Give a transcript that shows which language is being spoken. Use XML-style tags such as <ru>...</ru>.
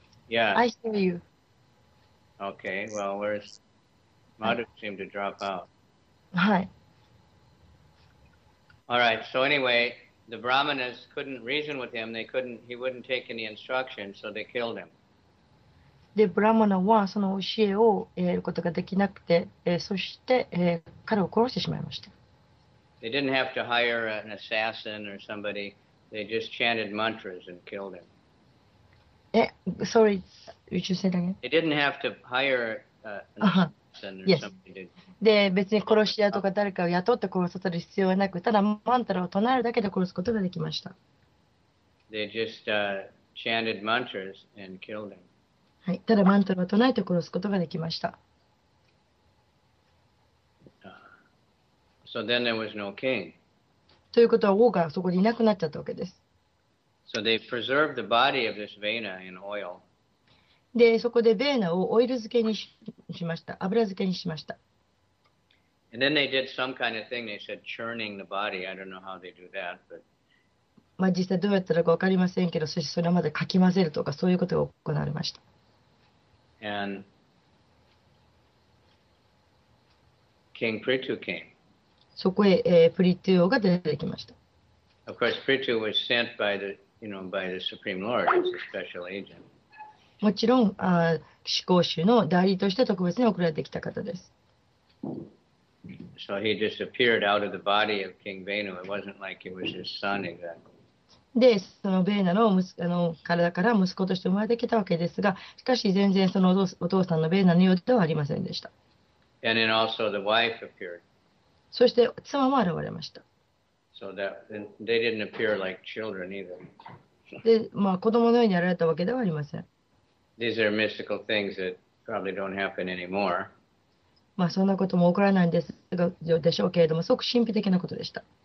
<en>Yeah. I hear you. Okay, well, where's... Madhu seemed to drop out. Hi. Alright, so anyway, the Brahmanas couldn't reason with him. They couldn't... He wouldn't take any instructions, so they killed him.</en> <ja>で、ブラマナはその教えを得ることができなくて、そして、彼を殺してしまいました。</ja> <en>They didn't have to hire an assassin or somebody. They just chanted mantras and killed him. Sorry, would you say that again? They didn't have to hire an assassin or Yes. something to.</en> <ja>で、別に殺し屋とか誰かを雇って殺させる必要はなく、ただマントラを唱えるだけで殺すことができました。</ja> <en>They just chanted mantras and killed him.</en> <ja>はい、ただマントラを唱えて殺すことができました。</ja> <en>So then there was no king.</en> <ja>ということは王がそこにいなくなっちゃったわけです。</ja> <en>So they preserved the body of this Vena in oil.</en> <ja>で、そこでヴェーナをオイル漬けにしました。油漬けにしました。</ja> <en>And then they did some kind of thing. They said churning the body. I don't know how they do that, but.</en> <ja>まあ実際どうやったらか分かりませんけど、そしてそれまでかき混ぜるとかそういうことが行われました。</ja> <en>And King Prithu came.</en> <ja>そこへ、プリトゥ王が出てきました。</ja> <en>Of course, Prithu was sent by the, you know, by the Supreme Lord as a special agent.</en> <ja>もちろん、始皇主の代理として特別に送られてきた方です。</ja> <en>So he disappeared out of the body of King Venu. It wasn't like he was his son exactly.</en> <ja>で、そのベーナの息子の体から息子として生まれてきたわけですが、しかし全然そのお父さんのベーナのようではありませんでした。</ja> <en>And then also the wife appeared.</en> <ja>そして妻も現れました。</ja> <en>So that they didn't appear like children either.</en> <ja>で、まあ子供のように現れたわけではありません。</ja> <en>These are mystical things that probably don't happen anymore.</en> <ja>まあ、そんなことも起こらないんですがでしょうけれども、すごく神秘的なことでした。</ja>